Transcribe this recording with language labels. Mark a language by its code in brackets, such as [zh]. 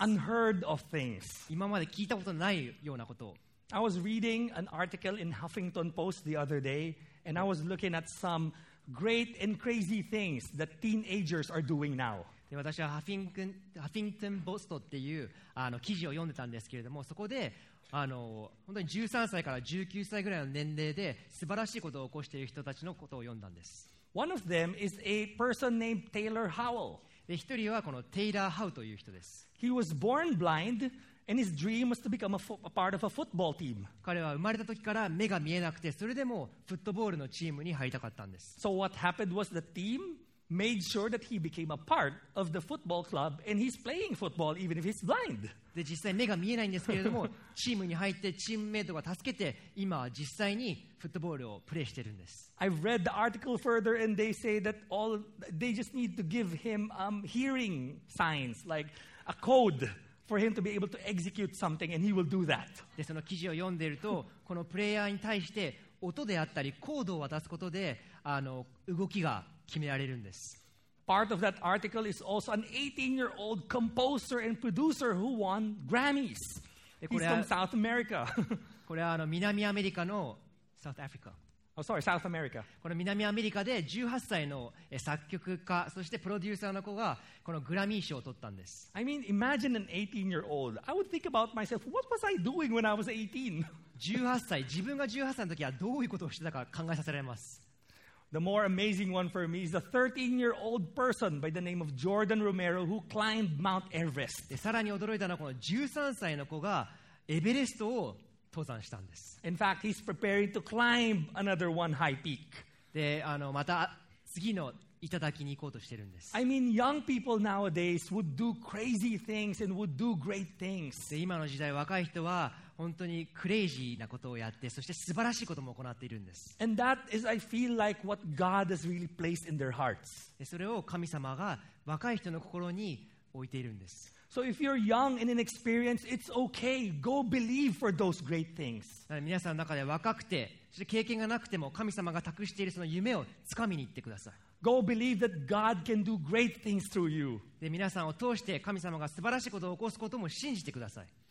[en] Unheard of things. [ja] 今まで聞いたことないようなことを。 [en] I was reading an article in Huffington Post the other day, and I was looking at some great and crazy things that teenagers are doing now. [ja] で私はハフィントンポストっていうあの記事を読んでたんですけれども、そこであの本当に13歳から19歳ぐらいの年齢で素晴らしいことを起こしている人たちのことを読んだんです。 [en] One of them is a person named Taylor Howell. [ja] で一人はこのテイラー・ハウという人です。 [en] He was born blind and his dream was to become a part of a football team. [ja] 彼は生まれた時から目が見えなくて、それでもフットボールのチームに入りたかったんです。 [en] So what happened was the team? Made sure that he became a part of the football club, and he's playing football even if he's blind. [ja] で実際目が見えないんですけれども、チームに入ってチームメイトが助けて、今は実際にフットボールをプレーしてるんです。 [en] I've read the article further, and they say that all they just need to give him hearing signs, like a code for him to be able to execute something, and he will do that. [ja] でその記事を読んでいると、このプレイヤーに対して音であったりコードを渡すことで、あの動きが決められるんです。 [en] Part of that article is also an 18-year-old composer and producer who won Grammys. He's from South America. [ja] これはあの南アメリカの [en] South Africa. Oh, sorry, South America. [ja] この南アメリカで18歳の作曲家そしてプロデューサーの子がこのグラミー賞を取ったんです。 [en] I mean, imagine an 18-year-old. I would think about myself. What was I doing when I was 18? [ja] 18歳、自分が18歳の時はどういうことをしてたか考えさせられます。 [en] The more amazing one for me is the 13-year-old person by the name of Jordan Romero who climbed Mount Everest. [ja] さらに驚いたのはこの13歳の子がエベレストを登山したんです。 [en] In fact, he's preparing to climb another one high peak. [ja] で、あの、また次の頂きに行こうとしてるんです。 [en] I mean, young people nowadays would do crazy things and would do great things. [ja] で、今の時代若い人は本当にクレイジーなことをやって、そして素晴らしいことも行っているんです。 [en] And that is, I feel like, what God has really placed in their hearts. [ja] それを神様が若い人の心に置いているんです。 [en] So if you're young and inexperienced, it's okay. Go believe for those great things. [ja] 皆さんの中で若くて、そして経験がなくても、神様が託しているその夢をつかみに行ってください。 [en] Go believe that God can do great things through you. [ja] で皆さんを通して神様が素晴らしいことを起こすことも信じてください。